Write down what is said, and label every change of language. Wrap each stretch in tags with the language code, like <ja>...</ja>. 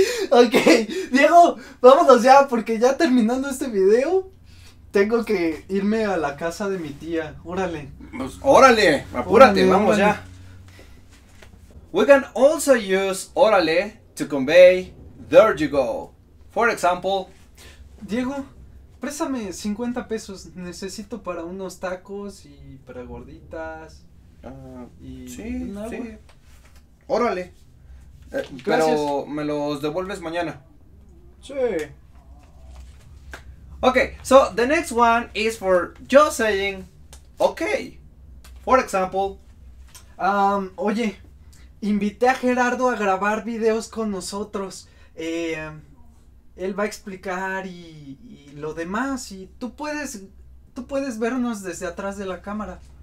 <es>Ok, Diego, vámonos ya, porque ya terminando este video, tengo que irme a la casa de mi tía. ¡Órale! Pues, ¡órale! ¡Apúrate! Órale, ¡vamos ya!</es> <en>We can also use órale to convey there you go. For example,</en> <es>Diego, préstame 50 pesos. Necesito para unos tacos y para gorditas. Y sí, un agua. Sí. Órale. Gracias. Pero me los devuelves mañana. Sí.</es> <en>Okay, so the next one is for just saying okay. For example,</en> <es>oye, invité a Gerardo a grabar videos con nosotros. Él va a explicar y lo demás, y tú puedes vernos desde atrás de la cámara.</es>